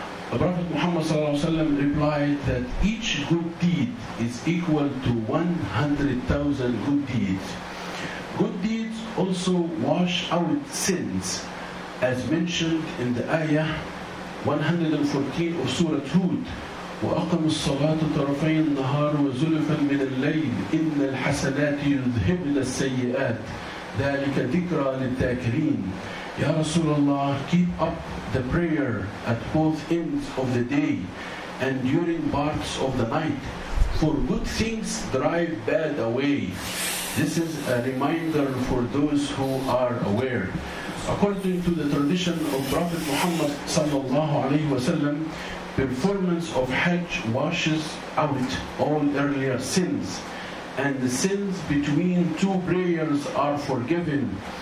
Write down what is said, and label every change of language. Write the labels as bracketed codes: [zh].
[en] The Prophet Muhammad sallallahu alayhi wa sallam replied that each good deed is equal to 100,000 good deeds. Good deeds also wash out sins, as mentioned in the ayah 114 of Surah Hud. [ar] وأقم الصلاة طرفي النهار وزلفا من الليل إن الحسنات يذهبن السيئات ذلك ذكرى للذاكرين. يا رسول الله, [en] keep up the prayer at both ends of the day and during parts of the night, for good things drive bad away. This is a reminder for those who are aware. According to the tradition of Prophet Muhammad sallallahu alayhi wa sallam, performance of Hajj washes out all earlier sins, and the sins between two prayers are forgiven.